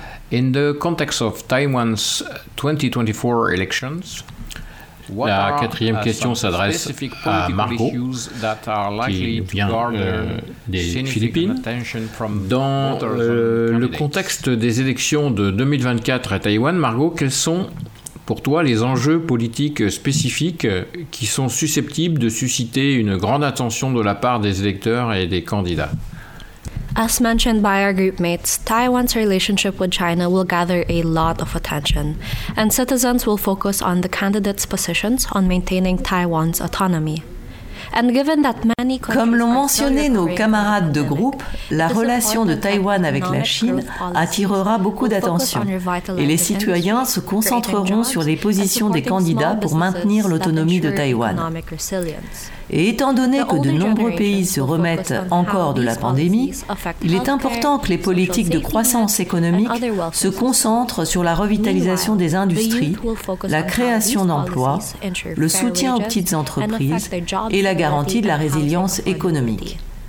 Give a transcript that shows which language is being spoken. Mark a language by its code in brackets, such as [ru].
[en] In the context of Taiwan's 2024 elections, [fr] la quatrième question s'adresse à Marco, qui vient des Philippines. Dans le contexte des élections de 2024 à Taïwan, Marco, quels sont pour toi les enjeux politiques spécifiques qui sont susceptibles de susciter une grande attention de la part des électeurs et des candidats? [en] As mentioned by our group mates, Taiwan's relationship with China will gather a lot of attention, and citizens will focus on the candidates' positions on maintaining Taiwan's autonomy. And given that many countries, [fr] comme l'ont mentionné nos camarades de groupe, la relation de Taïwan avec la Chine attirera beaucoup d'attention et les citoyens se concentreront sur les positions des candidats pour maintenir l'autonomie de Taïwan. Et étant donné que de nombreux pays se remettent encore de la pandémie, il est important que les politiques de croissance économique se concentrent sur la revitalisation des industries, la création d'emplois, le soutien aux petites entreprises et la garantie de la résilience économique.